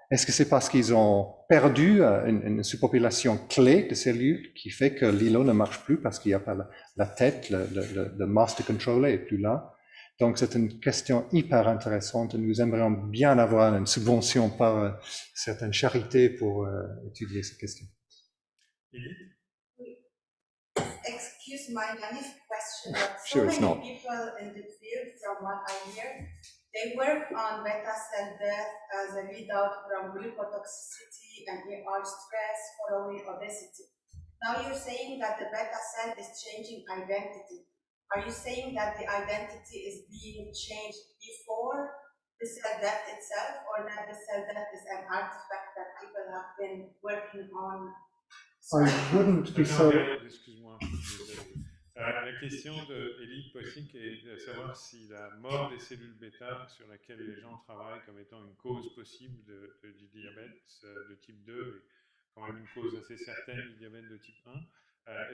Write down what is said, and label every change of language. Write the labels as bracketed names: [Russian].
[French] Est-ce que c'est parce qu'ils ont perdu une sous-population clé de cellules qui fait que l'îlot ne marche plus parce qu'il n'y a pas la tête, le master controller est plus là? Donc, c'est une question hyper intéressante. Nous aimerions bien avoir une subvention par certaines charités pour étudier ces questions. [English] Excuse my naive question, but so many people in the field, from what I hear, they work on beta cell death as a readout from glucotoxicity and ER stress following obesity. Now you're saying that the beta cell is changing identity. Are you saying that the identity is being changed before the cell death itself, or that the cell death is an artifact that people have been working on? I wouldn't be so... [French] Excuse-moi. La question d'Elie Poissic est de savoir si la mort des cellules bêta sur laquelle les gens travaillent comme étant une cause possible du diabète de type 2, est quand même une cause assez certaine du diabète de type 1.